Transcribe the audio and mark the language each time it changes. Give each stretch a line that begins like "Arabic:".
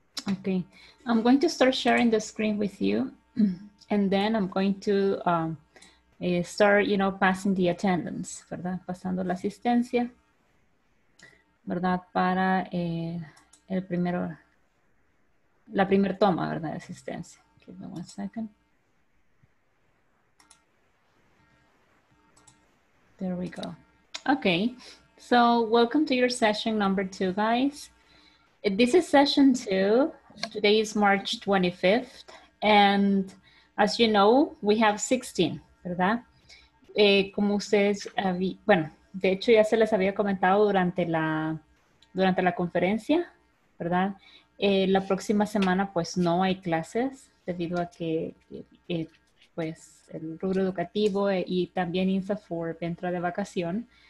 English: Okay, I'm going to start sharing the screen with you, and then I'm going to start, you know, passing the attendance,
Spanish: ¿verdad? Pasando la asistencia, ¿verdad? Para el primero, la primer toma, ¿verdad? De asistencia.
English: Give me 1 second. There we go. Okay, so welcome to your session number 2, guys. This is session 2. Today is March 25th, and as you know, we have 16,
Spanish: ¿verdad? Como ustedes, bueno, de hecho ya se les había comentado durante la conferencia, ¿verdad? La próxima semana pues no hay clases debido a que pues el rubro educativo y también INSAFOR entra de vacación.